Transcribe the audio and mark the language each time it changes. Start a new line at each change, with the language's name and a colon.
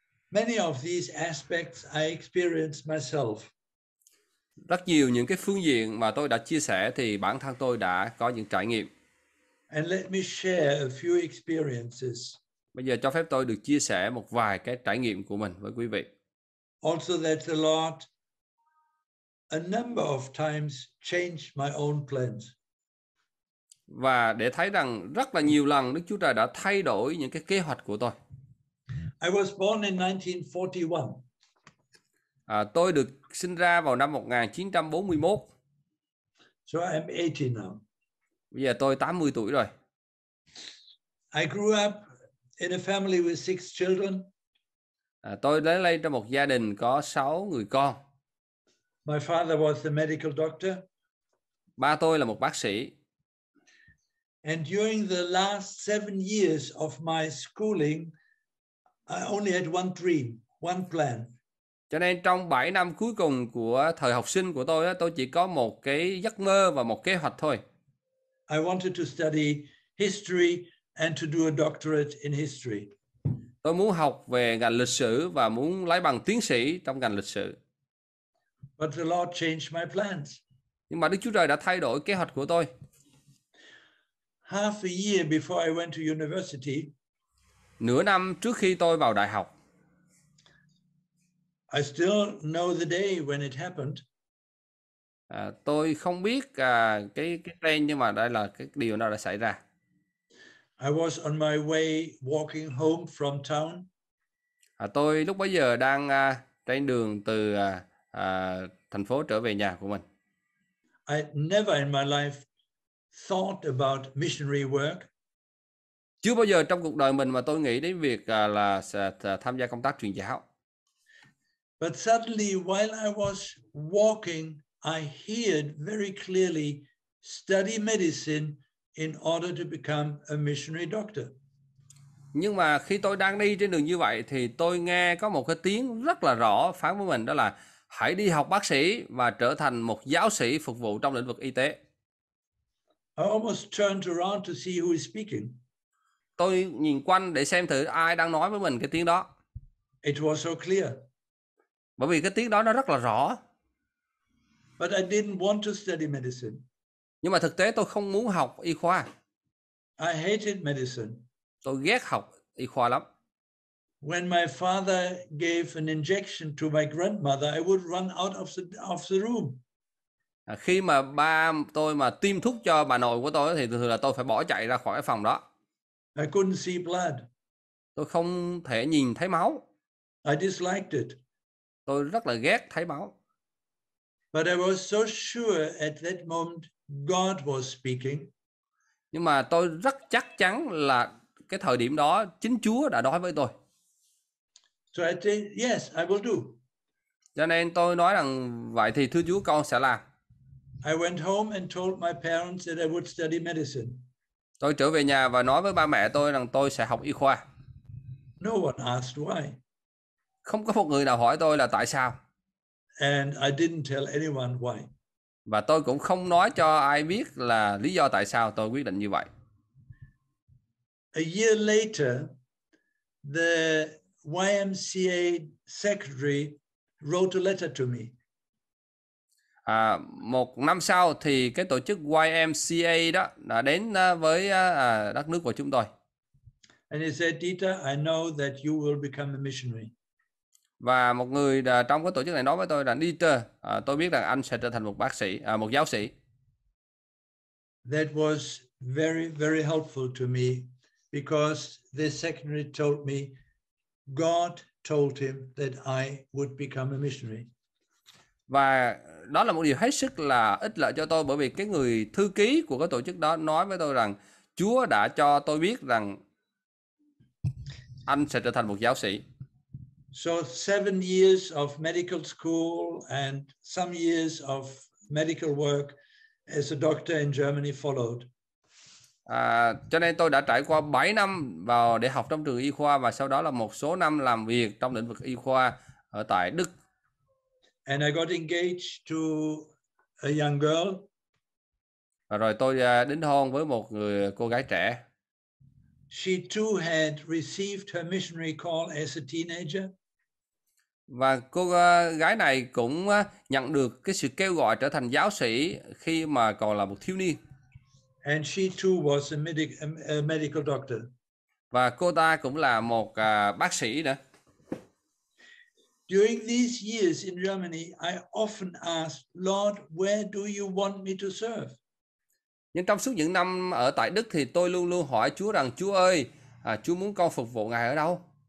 English: Many of these aspects I experienced myself.
Vietnamese: Rất nhiều những cái phương diện mà tôi đã chia sẻ thì bản thân tôi đã có những trải nghiệm.
English: And let me share a few experiences.
Vietnamese: Bây giờ cho phép tôi được chia sẻ một vài cái trải nghiệm của mình với quý vị.
English: Also that the Lord a number of times changed my own plans.
Vietnamese: Và để thấy rằng rất là nhiều lần Đức Chúa Trời đã thay đổi những cái kế hoạch của tôi.
English: I was born in 1941.
Vietnamese: Tôi được sinh ra vào năm 1941.
English: So I'm 80 now.
Vietnamese: Bây giờ tôi 80 tuổi rồi.
English: I grew up in a family with 6 children.
Vietnamese: Tôi lớn lên trong một gia đình có 6 người con.
English: My father was a medical doctor.
Vietnamese: Ba tôi là một bác sĩ.
English: And during the last 7 years of my schooling, I only had one dream, one plan.
Vietnamese: Cho nên trong 7 năm cuối cùng của thời học sinh của tôi chỉ có một cái giấc mơ và một kế hoạch thôi.
English: I wanted to study history and to do a doctorate in history.
Vietnamese: Tôi muốn học về ngành lịch sử và muốn lấy bằng tiến sĩ trong ngành lịch sử.
English: But the Lord changed my plans.
Vietnamese: Nhưng mà Đức Chúa Trời đã thay đổi kế hoạch của tôi.
English: Half a year before I went to university,
Vietnamese: nửa năm trước khi tôi vào đại học.
English: I still know the day when it happened.
Vietnamese: Tôi không biết cái tên, nhưng mà đây là cái điều nào đã xảy ra.
English: I was on my way walking home from town.
Vietnamese: Tôi lúc bấy giờ đang trên đường từ thành phố trở về nhà của mình.
English: I never in my life thought about missionary work.
Vietnamese: Chưa bao giờ trong cuộc đời mình mà tôi nghĩ đến việc là tham gia công tác truyền giáo.
English: But suddenly while I was walking, I heard very clearly study medicine in order to become a missionary doctor.
Vietnamese: Nhưng mà khi tôi đang đi trên đường như vậy thì tôi nghe có một cái tiếng rất là rõ phán với mình, đó là hãy đi học bác sĩ và trở thành một giáo sĩ phục vụ trong lĩnh vực y tế.
English: I almost turned around to see who is speaking.
Vietnamese: Tôi nhìn quanh để xem thử ai đang nói với mình cái tiếng đó.
English: It was so clear.
Vietnamese: Bởi vì cái tiếng đó nó rất là rõ.
English: But I didn't want to study medicine.
Vietnamese: Nhưng mà thực tế tôi không muốn học y khoa.
English: I hated medicine.
Vietnamese: Tôi ghét học y khoa lắm.
English: When my father gave an injection to my grandmother, I would run out of the room.
Vietnamese: Khi mà ba tôi mà tiêm thuốc cho bà nội của tôi thì thường là tôi phải bỏ chạy ra khỏi phòng đó.
English: I couldn't see blood.
Vietnamese: Tôi không thể nhìn thấy máu.
English: I disliked it.
Vietnamese: Tôi rất là ghét thấy máu.
English: But I was so sure at that moment God was speaking.
Vietnamese: Nhưng mà tôi rất chắc chắn là cái thời điểm đó chính Chúa đã nói với tôi.
English: So I say, yes, I will do.
Vietnamese: Cho nên tôi nói rằng vậy thì thưa Chúa con sẽ làm.
English: I went home and told my parents that I would study medicine.
Vietnamese: Tôi trở về nhà và nói với ba mẹ tôi rằng tôi sẽ học y khoa.
English: No one asked why.
Vietnamese: Không có một người nào hỏi tôi là tại sao.
English: And I didn't tell anyone why.
Vietnamese: Và tôi cũng không nói cho ai biết là lý do tại sao tôi quyết định như vậy.
English: A year later, the YMCA secretary wrote a letter to me.
Vietnamese: À, một năm sau thì cái tổ chức YMCA đó đã đến với đất nước của chúng tôi.
English: And he said, Dieter, I know that you will become a missionary.
Vietnamese: Và một người trong cái tổ chức này nói với tôi là Dieter, tôi biết rằng anh sẽ trở thành một bác sĩ, một giáo sĩ.
English: That was very, very helpful to me because the secretary told me God told him that I would become a missionary.
Vietnamese: Và đó là một điều hết sức là ích lợi cho tôi bởi vì cái người thư ký của cái tổ chức đó nói với tôi rằng Chúa đã cho tôi biết rằng anh sẽ trở thành một giáo sĩ.
English: So 7 years of medical school and some years of medical work as a doctor in Germany followed.
Vietnamese: Cho nên tôi đã trải qua 7 năm vào để học trong trường y khoa và sau đó là một số năm làm việc trong lĩnh vực y khoa ở tại Đức.
English: And I got engaged to a young girl.
Vietnamese: Và rồi tôi đính hôn với một người cô gái trẻ.
English: She too had received her missionary call as a teenager.
Vietnamese: Và cô gái này cũng nhận được cái sự kêu gọi trở thành giáo sĩ khi mà còn là một thiếu niên.
English: And she too was a medical doctor.
Vietnamese: Và cô ta cũng là một bác sĩ nữa.
English: During these years in Germany, I often asked, Lord, where do you want me to serve?
Vietnamese: Nhưng trong suốt những năm ở tại Đức thì tôi luôn luôn hỏi Chúa rằng, Chúa ơi, Chúa muốn con phục vụ Ngài ở đâu?